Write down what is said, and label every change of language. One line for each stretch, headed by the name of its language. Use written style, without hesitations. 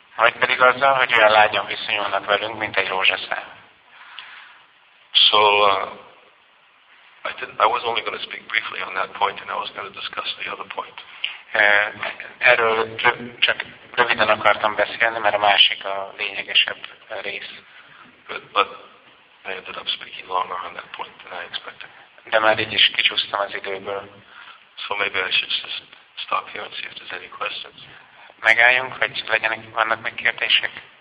Hungarian: Vagy pedig azzal, hogy olyan lágyan viszonyulnak velünk, mint egy rózsaszál.
English: So, I was only going to speak briefly on that point, and I was going to discuss the other point.
Hungarian: Erről csak röviden akartam beszélni, mert a másik a lényegesebb rész.
English: But I ended up speaking longer on that point than I expected.
Hungarian: De már így is kicsúsztam az időből.
English: So maybe I should just stop here and see if there's any questions.
Hungarian: Megálljunk, hogy legyenek, vannak még kérdések?